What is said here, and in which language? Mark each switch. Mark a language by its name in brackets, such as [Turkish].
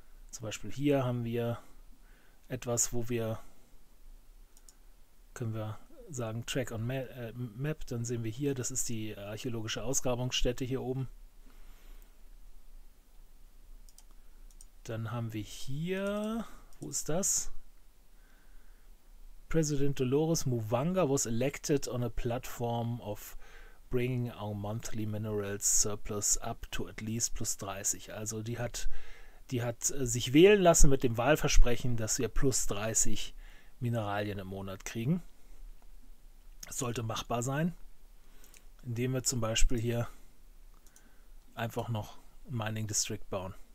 [German] Zum Beispiel hier haben wir etwas, wo wir, können wir sagen, Track on Map, dann sehen wir hier, das ist die archäologische Ausgrabungsstätte hier oben. Dann haben wir hier, wo ist das? [English] President Dolores Muvanga was elected on a platform of bringing our monthly minerals surplus up to at least plus 30. [German] Also die hat sich wählen lassen mit dem Wahlversprechen, dass wir plus 30 Mineralien im Monat kriegen. Das sollte machbar sein, indem wir zum Beispiel hier einfach noch Mining District bauen.